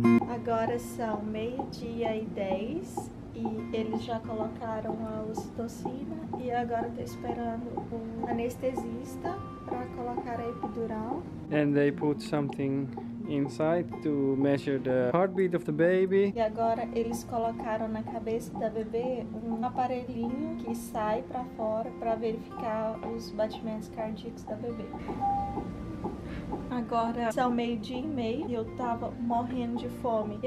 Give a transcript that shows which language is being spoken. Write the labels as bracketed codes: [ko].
[pt] Agora agora são 10:30 e eles já colocaram a ocitocina e agora estou esperando o anestesista para colocar a epidural. [en] And they put something inside to measure the heartbeat of the baby. [pt] E agora eles colocaram na cabeça da bebê um aparelhinho que sai para fora para verificar os batimentos cardíacos da bebê. Agora são 12:30 e eu tava morrendo de fome.